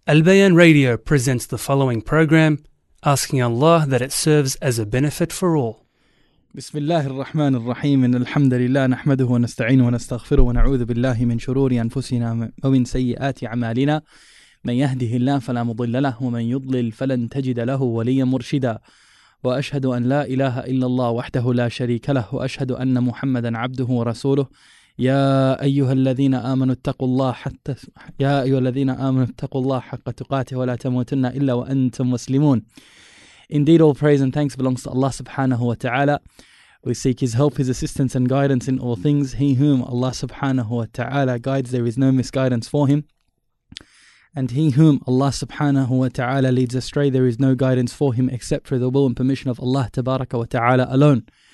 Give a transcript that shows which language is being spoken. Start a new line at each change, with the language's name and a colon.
English: Albayan Radio presents the following program, asking Allah that it serves as a benefit for all.
Arabic: بسم الله الرحمن الرحيم إن الحمد لله نحمده ونستعينه ونستغفره ونعوذ بالله من شرور أنفسنا ومن سيئات أعمالنا من يهده الله فلا مضل له ومن يضلل فلن تجد له وليا مرشدا وأشهد أن لا إله إلا الله وحده لا شريك له وأشهد أن محمدا عبده ورسوله يا أيها الذين آمنوا اتقوا الله حتى يا أيها الذين آمنوا اتقوا الله حق تقاته ولا تموتن إلا وأنتم مسلمون.
English: Indeed, all praise and thanks belongs to Allah subhanahu wa ta'ala. We seek His help, His assistance and guidance in all things. He whom Allah subhanahu wa ta'ala guides, there is no misguidance for Him. And he whom Allah subhanahu wa ta'ala leads astray, there is no guidance for him except for the will and permission of Allah tabaraka wa ta'ala alone.